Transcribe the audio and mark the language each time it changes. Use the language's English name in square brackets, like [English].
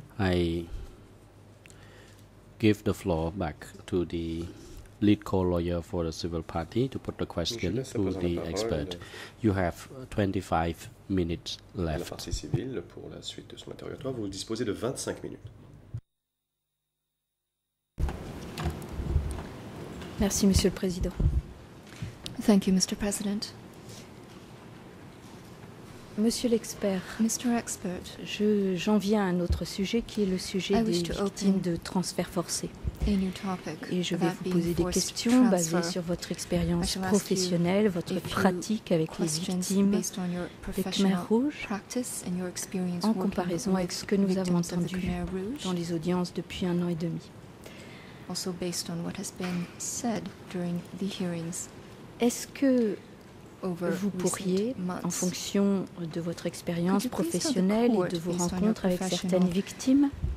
[English] I give the floor back to the lead co-lawyer for the civil party to put the question to the expert. You have 25 minutes left. [French] La partie civile pour la suite de son interrogatoire, vous disposez de 25 minutes. Merci, Monsieur le Président. [English] Thank you, Mr. President. [French] Monsieur l'expert, [English] Mr. Expert, [French] j'en viens à un autre sujet qui est le sujet des victimes de transfert forcé. Et je vais vous poser des questions basées sur votre expérience professionnelle, votre pratique avec les victimes des Khmer Rouges, en comparaison avec ce que nous avons entendu dans les audiences depuis un an et demi. [English] Also based on what has been said during the hearings. [French] Est-ce que vous pourriez, en fonction de votre expérience professionnelle et de vos rencontres avec certaines victimes,